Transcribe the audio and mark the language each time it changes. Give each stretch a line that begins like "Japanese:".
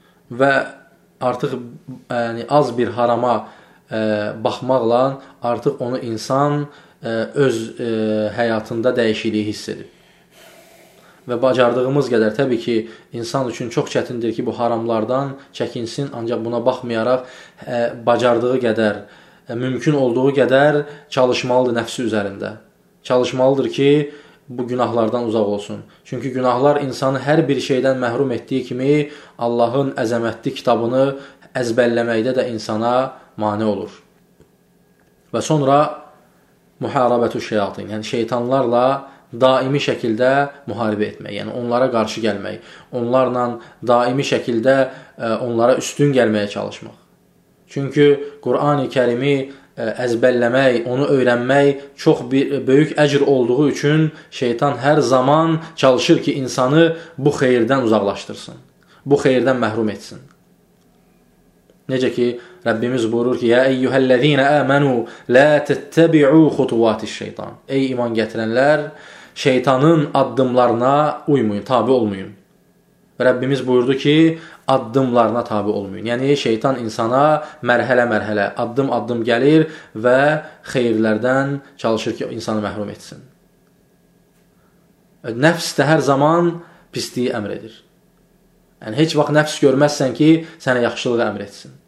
Azerbaijani: Və artıq az bir harama baxmaqla artıq onu insan öz həyatında dəyişikliyi hiss edib. Və bacardığımız qədər, təbii ki, insan üçün çox çətindir ki, bu haramlardan çəkinsin, ancaq buna baxmayaraq bacardığı qədər, mümkün olduğu qədər çalışmalıdır nəfsi üzərində. Çalışmalıdır ki, bu günahlardan uzaq olsun. Çünki günahlar insanı hər bir şeydən məhrum etdiyi kimi Allahın əzəmətli kitabını əzbəlləməkdə də insana mane olur. Və sonra müharibətü şeyatin, yəni şeytanlarla daimi şəkildə müharibə etmək, yəni onlara qarşı gəlmək, onlarla daimi şəkildə onlara üstün gəlməyə çalışmaq. Çünki Qur'an-ı Kerimi əzbəlləmək, onu öyrənmək çox bir böyük əcr olduğu üçün şeytan hər zaman çalışır ki, insanı bu xeyirdən uzaqlaşdırsın, bu xeyirdən məhrum etsin. Necə ki, Rəbbimiz buyurur ki,
Arabic: Yə eyyuhəlləzinə əmənu, lə tətəbi'u xutuvatişşeytan.
Azerbaijani: Ey iman gətirənlər, şeytanın addımlarına uymayın, tabi olmayın. Rəbbimiz buyurdu ki, addımlarına tabi olmayın. Yəni, şeytan insana mərhələ-mərhələ, addım-addım gəlir və xeyirlərdən çalışır ki, insanı məhrum etsin. Nəfs də hər zaman pisliyi əmr edir. Yəni, heç vaxt nəfs görməzsən ki, sənə yaxşılığı əmr etsin.